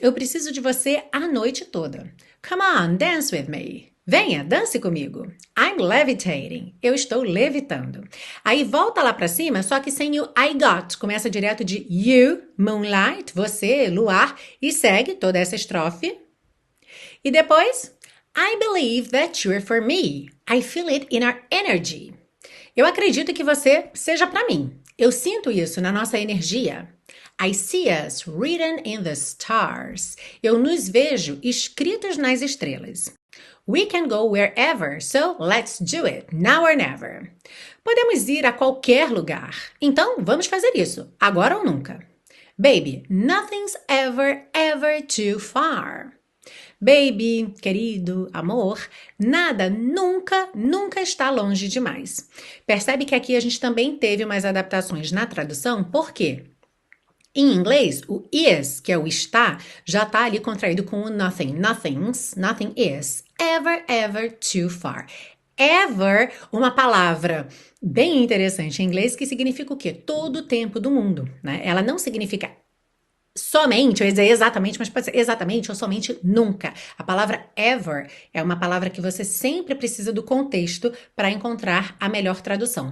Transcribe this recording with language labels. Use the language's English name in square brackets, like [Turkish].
[Portuguese] Eu preciso de você a noite toda. [English] Come on, dance with me. [Portuguese] Venha, dance comigo. [English] I'm levitating. [Portuguese] Eu estou levitando. Aí volta lá para cima, só que sem o I got. Começa direto de you, moonlight, você, luar, e segue toda essa estrofe. E depois, [English] I believe that you're for me. I feel it in our energy. [Portuguese] Eu acredito que você seja para mim. Eu sinto isso na nossa energia. [English] I see us written in the stars. [Portuguese] Eu nos vejo escritos nas estrelas. [English] We can go wherever, so let's do it, now or never. [Portuguese] Podemos ir a qualquer lugar. Então, vamos fazer isso, agora ou nunca. [English] Baby, nothing's ever, ever too far. [Portuguese] Baby, querido, amor, nada nunca, nunca está longe demais. Percebe que aqui a gente também teve umas adaptações na tradução, por quê? Em inglês, o is, que é o está, já está ali contraído com o nothing. [English] Nothing's, nothing is ever, ever too far. [Portuguese] Ever, uma palavra bem interessante em inglês, que significa o quê? Todo o tempo do mundo, né? Ela não significa somente, ou exatamente, mas pode ser exatamente ou somente nunca. A palavra ever é uma palavra que você sempre precisa do contexto para encontrar a melhor tradução.